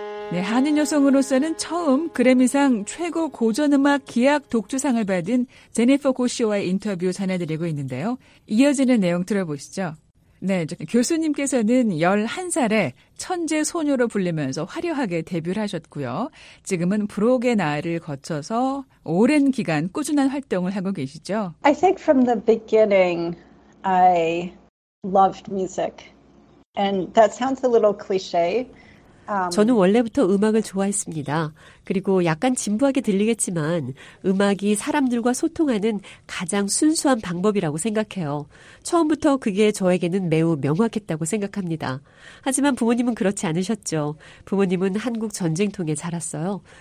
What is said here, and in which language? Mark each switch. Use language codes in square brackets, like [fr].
[ko] 네, 한인 여성으로서는 처음 그래미상 최고 고전음악 기악 독주상을 받은 제니퍼 고시와의 인터뷰 전해드리고 있는데요. 이어지는 내용 들어보시죠. 네, 교수님께서는 11살에 천재 소녀로 불리면서 화려하게 데뷔를 하셨고요. 지금은 브록의 나이를 거쳐서 오랜 기간 꾸준한 활동을 하고 계시죠. [en] I think from the beginning, I loved music. And that sounds a little cliche. [ko] 저는 원래부터 음악을 좋아했습니다. 그리고 약간 진부하게 들리겠지만 음악이 사람들과 소통하는 가장 순수한 방법이라고 생각해요. 처음부터 그게 저에게는 매우 명확했다고 생각합니다. 하지만 부모님은 그렇지 않으셨죠. 부모님은 한국 전쟁통에 자랐어요.